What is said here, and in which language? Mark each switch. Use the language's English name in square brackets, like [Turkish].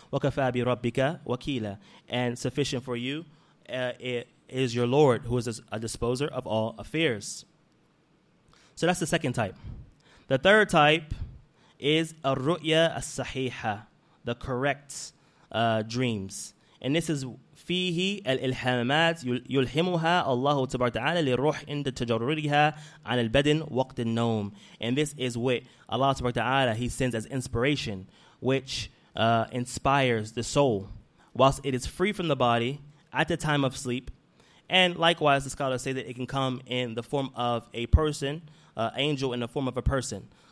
[Arabic] وَكَفَى بِرَبِّكَ وَكِيلًا. [English] And sufficient for you is your Lord, who is a disposer of all affairs. So that's the second type. The third type is [Arabic] الرؤية الصحيحة, [English] the correct dreams. And this is [Arabic] فيه الإلهامات يلهمها الله تبارك وتعالى للروح عند تجردها عن البدن وقت النوم. [English] And this is what Allah تبارك وتعالى, he sends as inspiration, which inspires the soul whilst it is free from the body at the time of sleep. And likewise, the scholars say that it can come in the form of a person, angel in the form of a person.